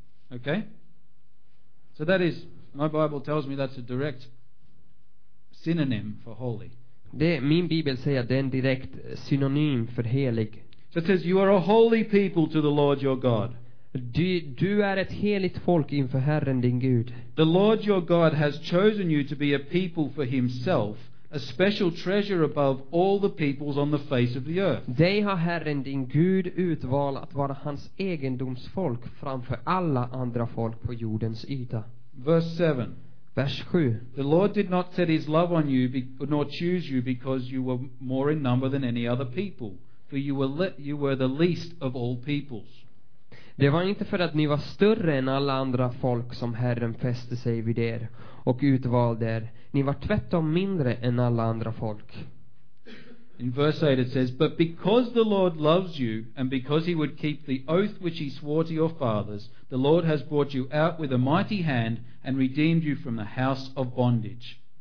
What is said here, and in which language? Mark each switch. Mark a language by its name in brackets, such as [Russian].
[English] Okay. So that is, my Bible tells me that's a direct synonym for holy. [Swedish] Det, min bibel säger den direkt synonym för helig. [English] So it says you are a holy people to the Lord your God. [Swedish] Du är ett heligt folk inför Herren din Gud. [English] The Lord your God has chosen you to be a people for himself, a special treasure above all the peoples on the face of the earth. [Swedish] De har Herren din Gud utvalt att vara hans egendomsfolk framför alla andra folk på jordens yta. [English] Verse 7. [Swedish] Vers 7. [English] The Lord did not set his love on you nor choose you because you were more in number than any other people, for you were the least of all peoples. [Swedish] Det var inte för att ni var större än alla andra folk som Herren fäste sig vid er och utvalde er. Ni var tvärtom mindre än alla andra folk. [English] In verse 8 it says, but because the Lord loves you and because he would keep the oath which he swore to your fathers, the Lord has brought you out with a mighty hand and redeemed you from the house of bondage.